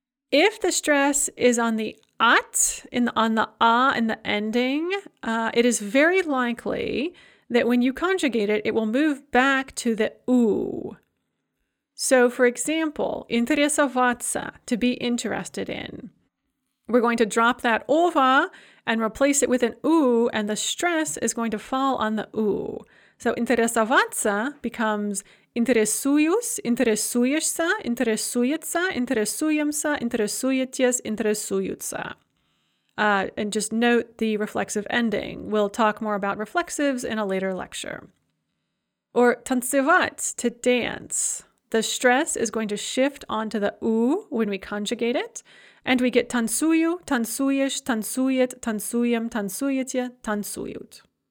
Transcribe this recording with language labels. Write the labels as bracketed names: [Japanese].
[English] If the stress is on the at, in the ending, it is very likely that when you conjugate it, it will move back to the у. So for example, интересоваться, to be interested in. We're going to drop that ova and replace it with an у, and the stress is going to fall on the у. So [Russian] интересоваться [English] becomes [Russian] интересуюсь, интересуешься, интересуется, интересуемся, интересуетесь, интересуются. [English] And just note the reflexive ending. We'll talk more about reflexives in a later lecture. Or танцевать, to dance. The stress is going to shift onto the у when we conjugate it, and we get [Russian] танцую, танцуешь, танцует, танцуем, танцуете, танцуют.